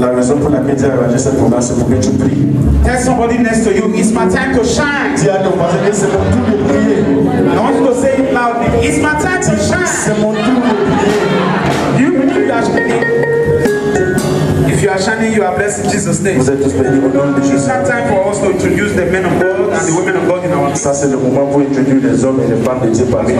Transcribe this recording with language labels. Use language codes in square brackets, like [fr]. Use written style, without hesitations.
[fr] La raison pour laquelle tu as arrangé cette promesse, c'est pour que tu pries. [en] Tell somebody next to you, it's my time to shine. [fr] Dis à ton voisin, c'est mon tour de prier. [en] I want you to say it loudly. It's my time to shine. [fr] C'est mon tour de prier. [en] You believe that you need. You are shining, you are blessed in Jesus' name. [fr] Vous êtes tous bénis au nom de Jésus. [en] It's time for us to introduce the men of God and the women of God in our. [fr] Ça c'est le moment pour introduire les hommes et les femmes de Dieu parmi nous.